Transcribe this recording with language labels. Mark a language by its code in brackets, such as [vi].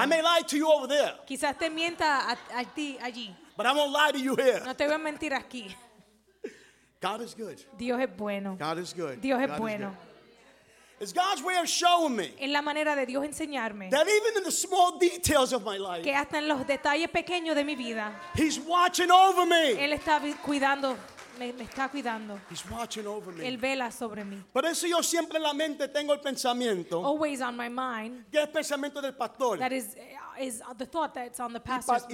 [en] I may lie to you over there. [es] Quizás te mienta a ti allí. [en] But I won't lie to you here. [es] No te voy a mentir aquí. [en] God is good. [es] Dios es bueno. [en] God is good. [es] Dios es [en] God [es] bueno. [en] It's God's way of showing me. [es] En la manera de Dios enseñarme. [en] That even in the small details of my life. [es] Que hasta en los detalles pequeños de mi vida. [en] He's watching over me. [es] Él está cuidando. Me está cuidando. [en] He's watching over me. [es] Él vela sobre mí. Por eso yo siempre en la mente tengo el pensamiento. [en] Always on my mind. [es] Que es pensamiento del pastor. [en] That is the thought that it's on the pastor's mind.